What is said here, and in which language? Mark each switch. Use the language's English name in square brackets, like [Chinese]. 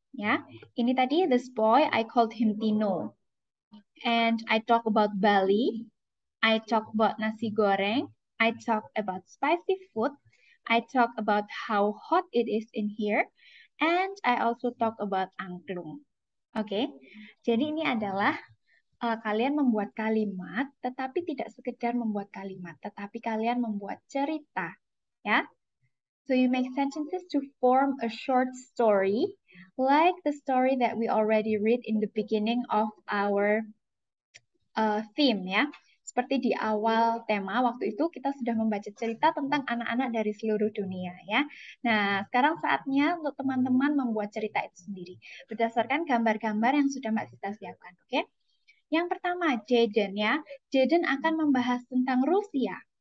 [Indonesian] Ya, ini tadi, [English] this boy, I called him Tino. And I talk about Bali. I talk about nasi goreng, I talk about spicy food, I talk about how hot it is in here, and I also talk about angklung. Okay? [Indonesian] Jadi ini adalah kalian membuat kalimat, tetapi tidak sekedar membuat kalimat, tetapi kalian membuat cerita. [English] Yeah? So you make sentences to form a short story, like the story that we already read in the beginning of our theme. Yeah? [Indonesian] Seperti di awal tema, waktu itu kita sudah membaca cerita tentang anak-anak dari seluruh dunia, ya. Nah, sekarang saatnya untuk teman-teman membuat cerita itu sendiri. Berdasarkan gambar-gambar yang sudah Mbak Sita siapkan, oke? Yang pertama, Jaden, ya. Jaden akan membahas tentang Rusia.